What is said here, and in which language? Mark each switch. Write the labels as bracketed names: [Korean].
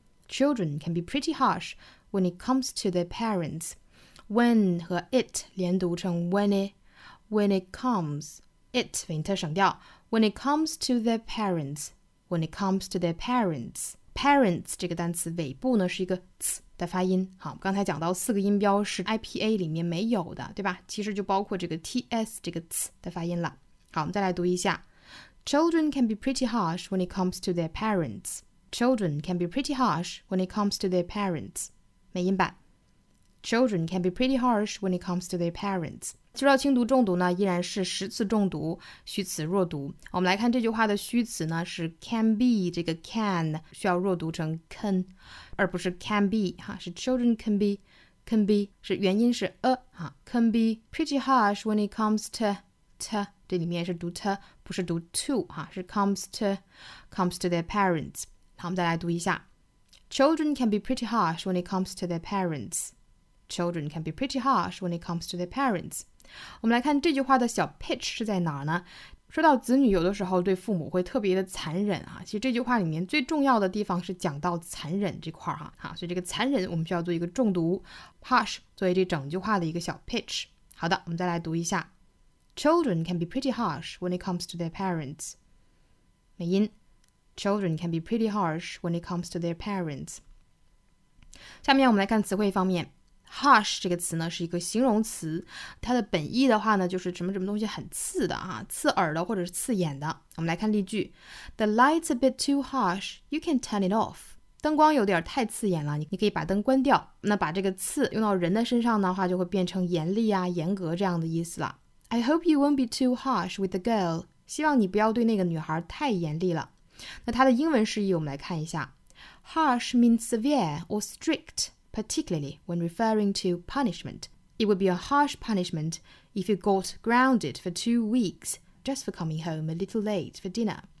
[English] Children can be pretty harsh when it comes to their parents. [Chinese] When 和 it 连读成 [English] when it comes, [Chinese] 尾音特省掉。 [English] When it comes to their parents, when it comes to their parents, parents [Chinese] 这个单词尾部呢是一个 [English] ts [Chinese] 的发音。好，刚才讲到四个音标是 IPA 里面没有的，对吧？其实就包括这个 ts 这个 ts 的发音了。好，我们再来读一下。 [English] Children can be pretty harsh when it comes to their parents. Children can be pretty harsh when it comes to their parents. [Chinese] 美音版 [English] Children can be pretty harsh when it comes to their parents. [Chinese] 知道轻读重读呢依然是十次重读虚词弱读。我们来看这句话的虚词呢是 [English] can be， 这个 can 需要弱读成 can， 而不是 can be， 哈，是 children can be， 是元音是 can be pretty harsh when it comes to [Chinese] 这里面是读 to， 不是读 to， 哈，是 [English] comes to their parents。 [Chinese] 好，我们再来读一下。 [English] Children can be pretty harsh when it comes to their parents. Children can be pretty harsh when it comes to their parents. [Chinese] 我们来看这句话的小 pitch 是在哪儿呢？说到子女有的时候对父母会特别的残忍啊，其实这句话里面最重要的地方是讲到残忍这块儿哈。好，所以这个残忍我们需要做一个重读 ，harsh 作为这整句话的一个小 pitch。好的，我们再来读一下。 [English] Children can be pretty harsh when it comes to their parents. [Chinese] 美音。 [English] Children can be pretty harsh when it comes to their parents. [Chinese] 下面我们来看词汇方面。Harsh 这个词呢是一个形容词，它的本意的话呢就是什么什么东西很刺的啊，刺耳的或者是刺眼的。我们来看例句。 [English] The light's a bit too harsh, you can turn it off. [Chinese] 灯光有点太刺眼了，你可以把灯关掉。那把这个刺用到人的身上的话就会变成严厉啊，严格这样的意思了。 [English] I hope you won't be too harsh with the girl. [Chinese] 希望你不要对那个女孩太严厉了。那它的英文释义我们来看一下。 [English] Harsh means severe or strict. Particularly when referring to punishment. It would be a harsh punishment if you got grounded for 2 weeks just for coming home a little late for dinner.